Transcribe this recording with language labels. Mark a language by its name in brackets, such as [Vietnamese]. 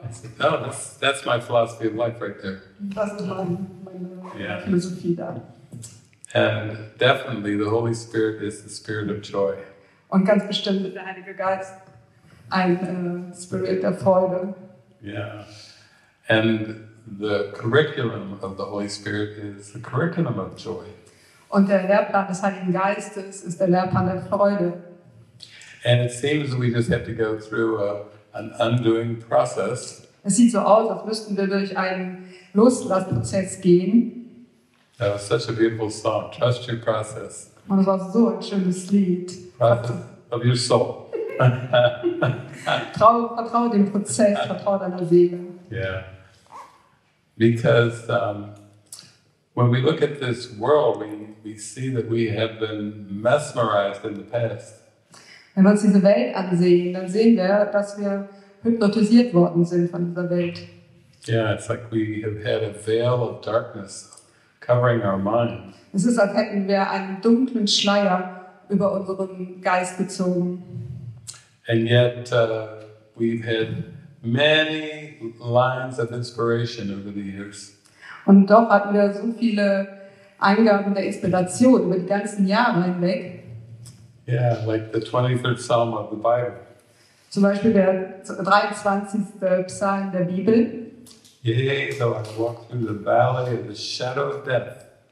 [English] Said, oh, that's my philosophy of life right there. [German] Das ist meine Philosophie da. [English] And definitely the Holy Spirit is the spirit of joy. [German] Und ganz bestimmt der Heilige Geist ein Spirit der Freude. [English] Yeah. And the curriculum of the Holy Spirit is the curriculum of joy. [German] Und der Lehrplan des Heiligen Geistes ist der Lehrplan der Freude. [English] And it seems we just have to go through an undoing process. [German] Es sieht so aus, als müssten wir durch einen Loslassprozess gehen. [English] That was such a beautiful song, Trust Your Process. [German] Und es war so ein schönes Lied. [English] Process of your soul. [German] Vertrau dem Prozess, vertrau deiner Seele. [English] Yeah. Because when we look at this world, we see that we have been mesmerized in the past. [German] Wenn wir uns diese Welt ansehen, dann sehen wir, dass wir hypnotisiert worden sind von dieser Welt. [English] Yeah, it's like we have had a veil of darkness covering our mind. [German] Es ist, als hätten wir einen dunklen Schleier über unseren Geist gezogen. [English] And yet we've had many lines of inspiration over the years. [German] Und doch hatten wir so viele Eingaben der Inspiration über die ganzen Jahre hinweg. [English] Yeah, like the 23rd Psalm of the Bible. [German] Zum Beispiel der 23. Psalm der Bibel. [English] Yea, though I walk through the valley of the shadow of death.